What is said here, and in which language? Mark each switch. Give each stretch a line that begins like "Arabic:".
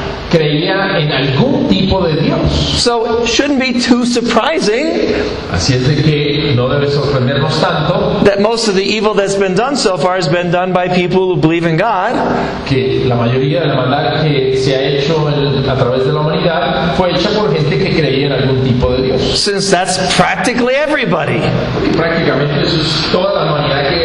Spanish: creía en algún tipo de Dios.
English: So it shouldn't be too surprising,
Spanish: así es de que no debe sorprendernos tanto,
English: that most of the evil that's been done so far has been done by people who believe in God,
Spanish: que la mayoría de la maldad que se ha hecho a través de la humanidad fue hecha por gente que creía en algún tipo de Dios.
English: Since that's practically everybody.
Spanish: Porque prácticamente eso es toda la humanidad.